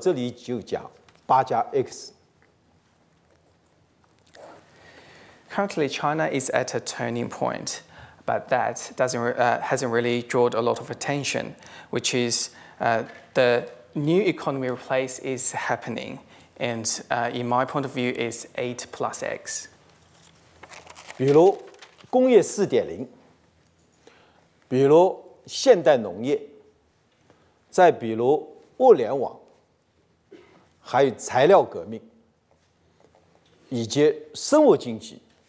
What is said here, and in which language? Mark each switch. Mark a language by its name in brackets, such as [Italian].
[Chinese] 现在中国正在面临一个重大的转折，这一条被人们关注的不多，主要是新旧经济的替代正在发生。所谓新经济，在我这里就讲8+X。 [English] Currently, China is at a turning point, but that hasn't really drawn a lot of attention, which is the new economy replace is happening, and in my point of view, is 8+X. [Chinese] 比如工业4.0, 比如现代农业，再比如物联网，还有材料革命，以及生物经济。